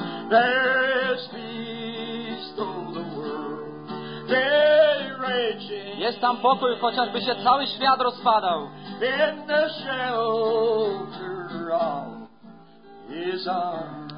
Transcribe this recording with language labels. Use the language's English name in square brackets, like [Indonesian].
[English] There is peace though the world be raging. [Polish] Jest tam pokój, chociażby się cały świat rozpadał. [English] In the shelter of his arms.